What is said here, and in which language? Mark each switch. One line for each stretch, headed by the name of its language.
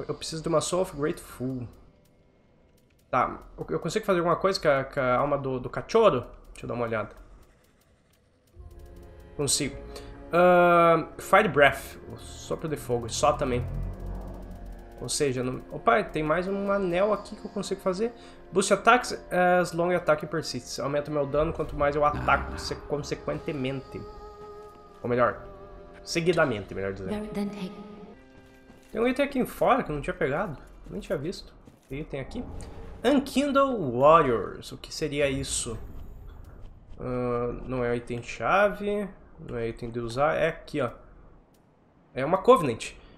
Portuguese: Eu preciso de uma Soul of Grateful. Tá, eu consigo fazer alguma coisa com a alma do cachorro? Deixa eu dar uma olhada. Consigo. Fire Breath. Sopro de fogo. Só também. Ou seja, não... Opa, tem mais um anel aqui que eu consigo fazer.
English: Boost Attacks as long attack persists.
Portuguese: Aumenta meu dano quanto mais eu ataco consequentemente. Ou melhor, seguidamente, melhor dizendo. Tem um item aqui em fora que eu não tinha pegado. Nem tinha visto. Tem item aqui. Unkindle Warriors. O que seria isso? Não é item-chave. Não é item de usar. É aqui, ó. É uma Covenant.